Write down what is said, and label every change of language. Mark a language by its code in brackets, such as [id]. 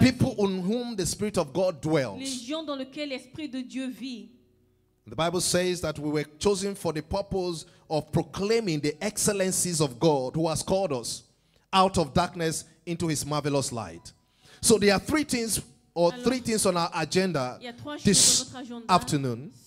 [en] People on whom the Spirit of God dwells. [fr] Les gens dans lesquels l'Esprit de Dieu vit. [en] The Bible says that we were chosen for the purpose of proclaiming the excellencies of God who has called us out of darkness into his marvelous light. So there are three things on our agenda this afternoon.